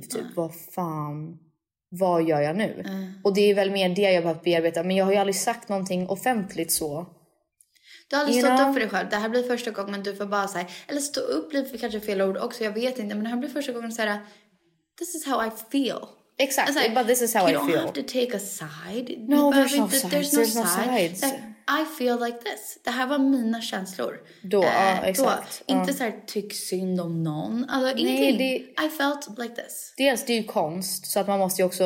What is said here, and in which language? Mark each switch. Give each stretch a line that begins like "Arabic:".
Swedish: Typ, vad fan... vad gör jag nu? Mm. Och det är väl mer det jag behöver bearbeta. Men jag har ju aldrig sagt någonting offentligt så. Du har aldrig stått upp för dig själv. Det här blir första gången du får bara säga. Eller stå upp blir kanske fel ord också. Jag vet inte. Men det här blir första gången du säger.
English: This is how I feel. Exactly. Like, but this is how I feel. You don't have to take a side. No, there's no sides. There's no sides. I feel like this.
Swedish: Det här var mina känslor. Då, exakt. Då. Inte så här, tyck synd om någon. Alltså, ingenting. Nej,
English: I felt like this.
Swedish: Dels, det är ju konst. Så att man måste ju också...